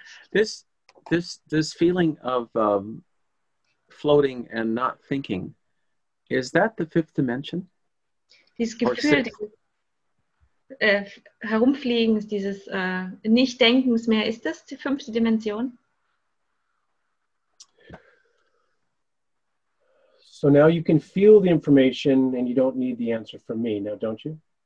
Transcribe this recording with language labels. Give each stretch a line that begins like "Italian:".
English: This feeling of floating and not thinking, is that the fifth dimension?
German: Dieses Gefühl, herumfliegen, dieses Nicht-Denkens mehr, ist das die fünfte Dimension?
English: So now you can feel the information and you don't need the answer from me now, don't you?